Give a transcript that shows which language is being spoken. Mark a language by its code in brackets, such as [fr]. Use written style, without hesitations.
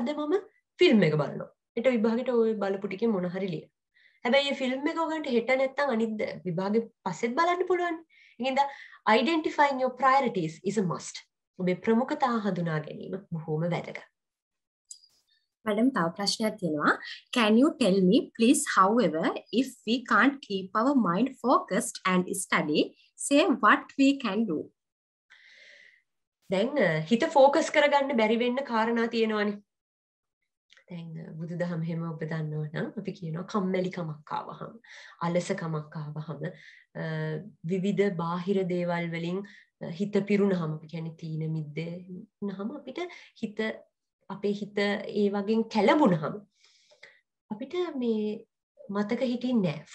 [si] අද මම ෆිල්ම් එක බලනවා. හෙට විභාගෙට ඔය බලපු ටිකේ මොන හරි ලිය. හැබැයි මේ ෆිල්ම් එක ඔයාලට හෙට නැත්තම් අනිත් විභාගෙ පස්සෙත් බලන්න පුළුවන්. [en] ඉතින් identifying your priorities is a must. ඔබේ ප්‍රමුඛතා හඳුනා ගැනීම බොහොම වැදගත්. [si] මඩම් තව ප්‍රශ්නයක් තියෙනවා. [en] Can you tell me please however if we can't keep our mind focused and study say what we can do? [si] දැන් හිත focus කරගන්න බැරි වෙන්න කාරණා තියෙනවනේ. දැන් බුදුදහම හැම ඔබ දන්නවා නම් අපි කියනවා කම්මැලි කමක් ආවහම අලස කමක් ආවහම විවිධ බාහිර දේවල් වලින් හිත පිරුණහම අපි කියන්නේ තීන මිද්දේනහම අපිට හිත අපේ හිත ඒ වගේ කැළඹුණහම අපිට මේ මතක හිටින්නේ නැහැ.